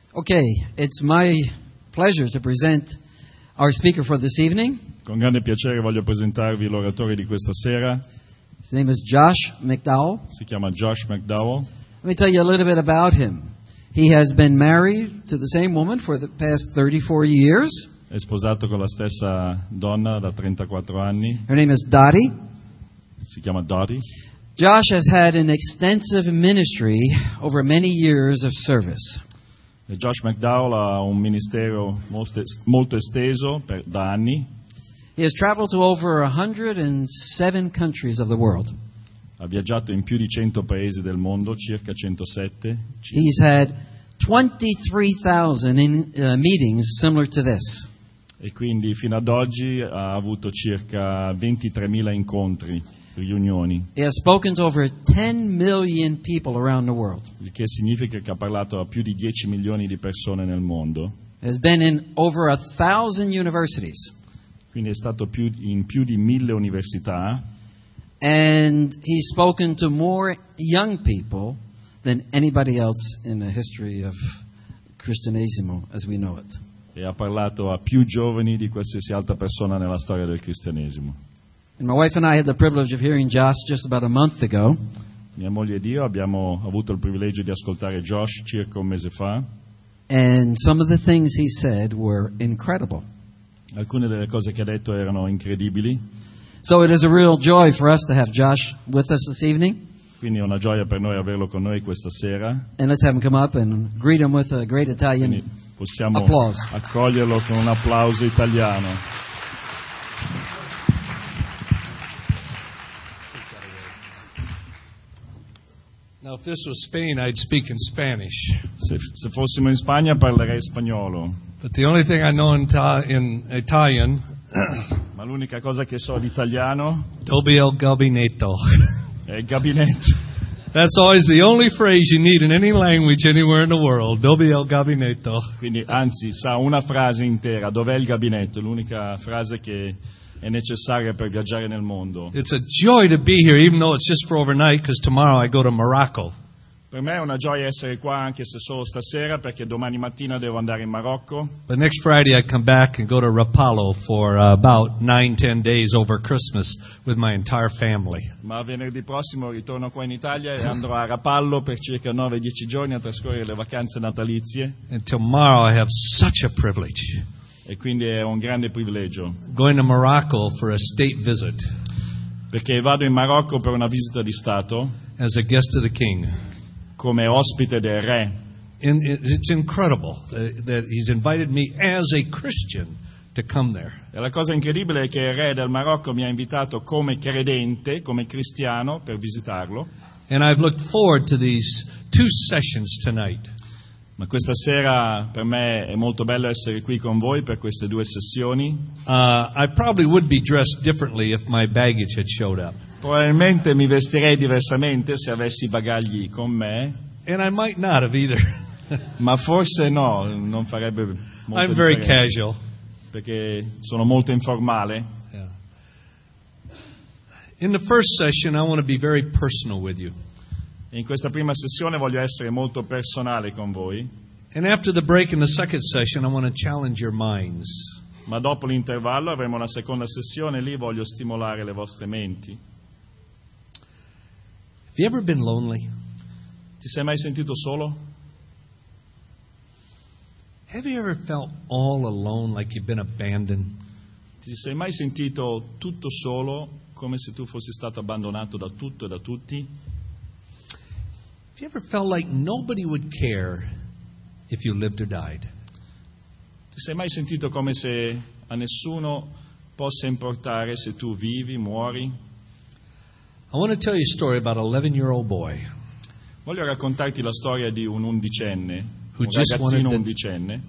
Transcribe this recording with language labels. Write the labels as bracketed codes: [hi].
[en] Okay, it's my pleasure to present our speaker for this evening. [it] Con grande piacere voglio presentarvi l'oratore di questa sera. [en] His name is Josh McDowell. [it] Si chiama Josh McDowell. [en] Let me tell you a little bit about him. He has been married to the same woman for the past 34 years. [it] È sposato con la stessa donna da 34 anni. [en] Her name is Dottie. [it] Si chiama Dottie. [en] Josh has had an extensive ministry over many years of service. [it] Josh McDowell ha un ministero molto esteso da anni. [en] He has traveled to over 107 countries of the world. [it] Ha viaggiato in più di 100 paesi del mondo, circa 107. [en] He's had 23,000 meetings similar to this. [it] E quindi fino ad oggi ha avuto circa 23,000 incontri. Riunioni. [en] He has spoken to over 10 million people around the world. [it] Il che significa che ha parlato a più di 10 milioni di persone nel mondo. [en] Has been in over 1,000 universities. [it] Quindi è stato in più di 1,000 università. [en] And he's spoken to more young people than anybody else in the history of Christianesimo as we know it. [it] E ha parlato a più giovani di qualsiasi altra persona nella storia del cristianesimo. [en] And my wife and I had the privilege of hearing Josh just about a month ago. [it] Mia moglie ed io abbiamo avuto il privilegio di ascoltare Josh circa un mese fa. [en] And some of the things he said were incredible. [it] Alcune delle cose che ha detto erano incredibili. [en] So it is a real joy for us to have Josh with us this evening. [it] Quindi è una gioia per noi averlo con noi questa sera. [en] And let's have him come up and greet him with a great Italian applause. [it] Possiamo accoglierlo con un applauso italiano. [en] Now, if this was Spain, I'd speak in Spanish. [it] Se fossimo in Spagna, parlerei spagnolo. [en] But the only thing I know in Italian. [it] Ma l'unica cosa che so di italiano. Dove è il gabinetto? È il gabinetto. [en] That's always the only phrase you need in any language anywhere in the world. [it] Dove è il gabinetto? Quindi, anzi, sa una frase intera. Dov'è il gabinetto? L'unica frase che è necessaria per viaggiare nel mondo. [en] It's a joy to be here, even though it's just for overnight, because tomorrow I go to Morocco. [it] Per me è una gioia essere qua anche se solo stasera, perché domani mattina devo andare in Marocco. [en] But next Friday I come back and go to Rapallo for about 9-10 days over Christmas with my entire family. [it] Ma venerdì prossimo ritorno qua in Italia e andrò a Rapallo per circa 9-10 giorni a trascorrere le vacanze natalizie. [en] And tomorrow I have such a privilege. [it] E quindi è un grande privilegio. [en] Going to Morocco for a state visit. [it] Perché vado in Marocco per una visita di stato. [en] As a guest of the king. [it] Come ospite del re. [en] And it's incredible that he's invited me as a Christian to come there. [it] E la cosa incredibile è che il re del Marocco mi ha invitato come credente, come cristiano, per visitarlo. [en] And I've looked forward to these two sessions tonight. [it] Ma questa sera per me è molto bello essere qui con voi per queste due sessioni. [en] I probably would be dressed differently if my baggage had showed up. [it] Probabilmente mi vestirei diversamente se avessi i bagagli con me. [en] And I might not have either. [it] Ma forse no, non farebbe molto. [en] I'm very casual. [it] Perché sono molto informale. [en] In the first session I want to be very personal with you. [it] In questa prima sessione voglio essere molto personale con voi. [en] And after the break in the second session I want to challenge your minds. [it] Ma dopo l'intervallo avremo una seconda sessione e lì voglio stimolare le vostre menti. [en] Have you ever been lonely? [it] Ti sei mai sentito solo? [en] Have you ever felt all alone like you've been abandoned? [it] Ti sei mai sentito tutto solo come se tu fossi stato abbandonato da tutto e da tutti? [en] Have you ever felt like nobody would care if you lived or died? [it] Ti sei mai sentito come se a nessuno possa importare se tu vivi, muori? [en] I want to tell you a story about an 11-year-old boy. [it] Voglio raccontarti la storia di un undicenne, un ragazzino undicenne,